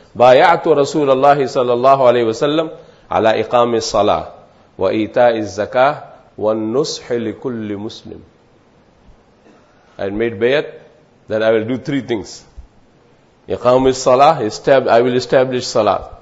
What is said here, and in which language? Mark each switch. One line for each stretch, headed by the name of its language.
Arabic: بايعت رسول الله صلى الله عليه وسلم على إقام الصلاة وإيتاء الزكاة والنصح لكل مسلم.
English: I made bayat that I will do three things.
Arabic: إقام الصلاة,
English: I will establish صلاة.